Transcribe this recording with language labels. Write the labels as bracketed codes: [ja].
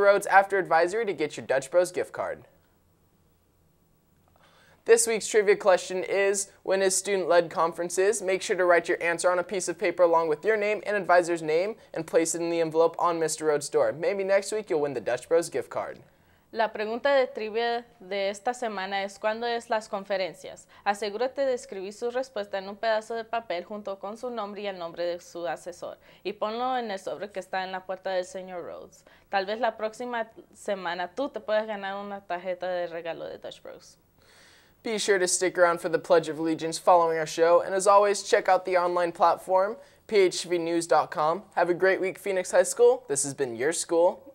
[en] Rhodes after advisory to get your Dutch Bros gift card. This week's trivia question is, when is student-led conferences? Make sure to write your answer on a piece of paper along with your name and advisor's name and place it in the envelope on Mr. Rhodes' door. Maybe next week you'll win the Dutch Bros gift card. [es] La pregunta de trivia de esta semana es, ¿cuándo es las conferencias? Asegúrate de escribir su respuesta en un pedazo de papel junto con su nombre y el nombre de su asesor y ponlo en el sobre que está en la puerta del señor Rhodes. Tal vez la próxima semana tú te puedas ganar una tarjeta de regalo de Dutch Bros. [en] Be sure to stick around for the Pledge of Allegiance following our show. And as always, check out the online platform, phtvnews.com. Have a great week, Phoenix High School. This has been your school,